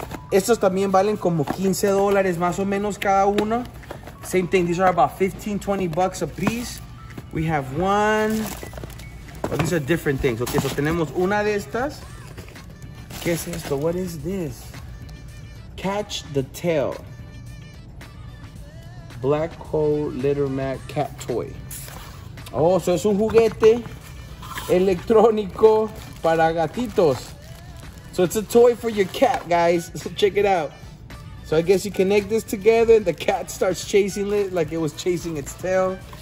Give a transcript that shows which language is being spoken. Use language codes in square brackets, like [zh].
[es] Estos también valen como $15 más o menos cada uno. [en] Same thing, these are about 15, 20 bucks a piece. We have one. Oh, these are different things. [es] Okay, so tenemos una de estas. ¿Qué es esto? [en] What is this? Catch the tail. Black hole litter mat cat toy. [es] Oh, so es un juguete electrónico para gatitos. [en] So it's a toy for your cat, guys. So check it out. So I guess you connect this together and the cat starts chasing it like it was chasing its tail.